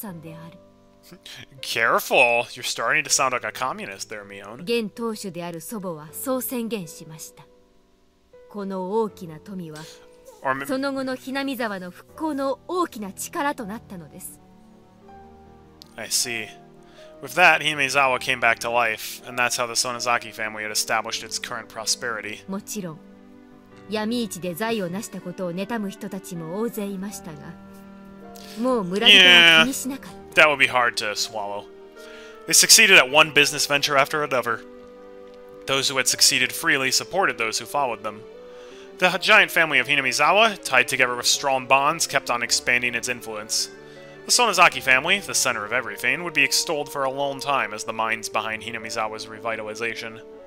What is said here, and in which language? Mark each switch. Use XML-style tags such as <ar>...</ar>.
<ja>廃れた雛見沢を復興させよう。村人すべては家族であり、この富は共有の財産である。</ja> <en>Careful, you're starting to sound like a communist there, Mion.</en> <ja>現当主である祖母はそう宣言しました。この大きな富は、その後の雛見沢の復興の大きな力となったのです。</ja> <en>I see. With that, Himezawa came back to life, and that's how the Sonozaki family had established its current prosperity.</en> <ja>もちろん、闇市で財を成した事を妬む人たちも大勢いましたが、もう村人は気にしなかった。</ja> <en>That would be hard to swallow. They succeeded at one business venture after another. Those who had succeeded freely supported those who followed them. The giant family of Hinamizawa, tied together with strong bonds, kept on expanding its influence. The Sonozaki family, the center of everything, would be extolled for a long time as the minds behind Hinamizawa's revitalization.</en>